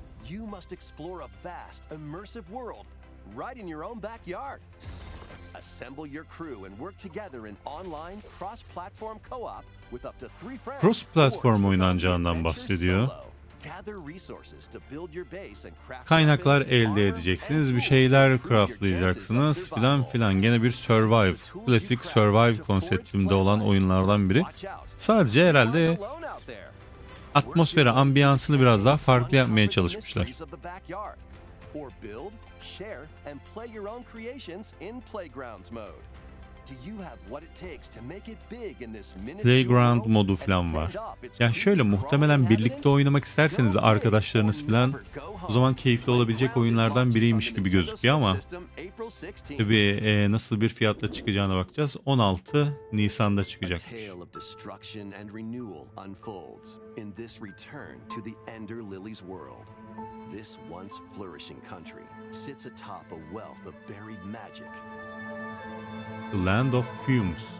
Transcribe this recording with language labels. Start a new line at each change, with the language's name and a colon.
English: You must explore a vast, immersive world right in your own backyard. Assemble your crew and work together in online cross-platform co-op with up to three friends.
Turkish: Cross-platform oynanacağından bahsediyor.
English: Gather resources to build your base and craft.
Turkish: Kaynaklar elde edeceksiniz, bir şeyler craftlayacaksınız filan filan. Gene bir survive, klasik survive konseptimde olan oyunlardan biri. Sadece herhalde atmosferi, ambiyansını biraz daha farklı yapmaya çalışmışlar.
English: Or build, share and play your own creations in playgrounds mode. Do you have what it takes to make it big in this mini playground
Turkish: modu falan var. Ya yani şöyle muhtemelen birlikte oynamak isterseniz arkadaşlarınız falan o zaman keyifli olabilecek oyunlardan biriymiş gibi gözüküyor ama tabii nasıl bir fiyatla çıkacağına bakacağız. 16 Nisan'da çıkacak.
English: Destruction and renewal unfolds in this return to the Ender Lily's world. This once flourishing country sits atop a wealth of buried magic. The Land of Fumes.